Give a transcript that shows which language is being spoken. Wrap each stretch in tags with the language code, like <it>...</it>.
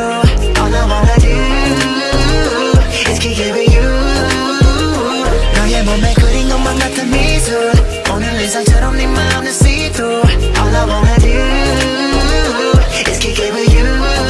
<en>All I wanna do is keep giving you.</en> <ko>너의 몸에 그린 것만 같은 미소. 오늘 일상처럼 네 마음을</ko> <en>see through. All I wanna do is keep giving you.</en>